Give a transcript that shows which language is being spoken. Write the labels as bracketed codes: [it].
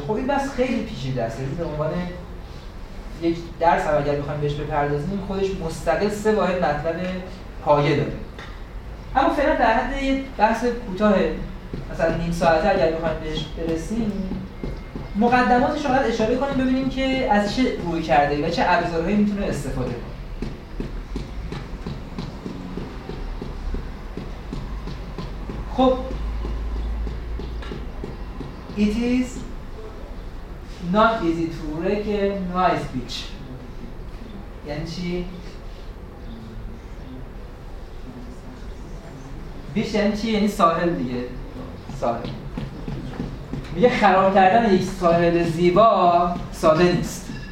[fa] خب این بس خیلی پیچیده است، به عنوان یک درس هم اگر بخوایم بهش بپردازیم خودش مستقل سه واحد مطلب پایه داره. اما فعلا در حد یه بحث کوتاه مثلا نیم ساعته اگر بخوایم بهش برسیم، مقدماتش رو باید اشاره کنیم ببینیم که از چه روی کرده و چه ابزارهایی میتونه استفاده کنه. [en] خب It is not easy to recognize speech. [fa] یعنی چی؟ بیش یعنی چی؟ یعنی ساحل دیگه. ساحل میگه خراب کردن یک ساحل زیبا ساده نیست.